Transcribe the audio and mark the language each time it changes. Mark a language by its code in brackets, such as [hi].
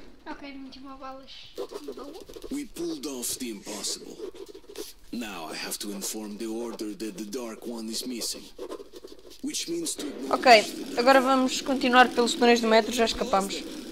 [pt] Ok, não tinha balas. [en] We pulled off the impossible. Now I have to inform the order that the dark one is missing. [pt] Ok, agora vamos continuar pelos túneis do metro, já escapamos.